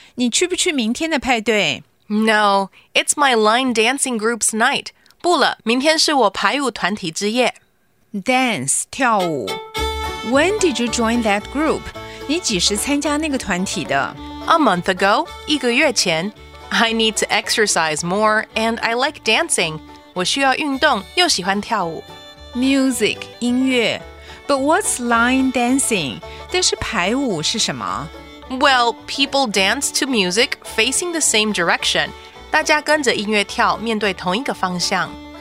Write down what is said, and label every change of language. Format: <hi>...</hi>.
<zh>你去不去明天的派对？</zh> <en>No, it's my line dancing group's night.</en> <zh>不了，明天是我排舞团体之夜。</zh> <en>Dance,</en> <zh>跳舞。</zh> <en>When did you join that group?</en> <zh>你几时参加那个团体的？</zh> <en>A month ago,</en> <zh>一个月前。</zh> <en>I need to exercise more, and I like dancing.</en> <zh>我需要运动，又喜欢跳舞。</zh> <en>Music,</en> <zh>音乐。</zh> <en>But what's line dancing?</en> <zh>但是排舞是什么？</zh> <en>Well, people dance to music facing the same direction.</en> <zh>大家跟着音乐跳，面对同一个方向。</zh>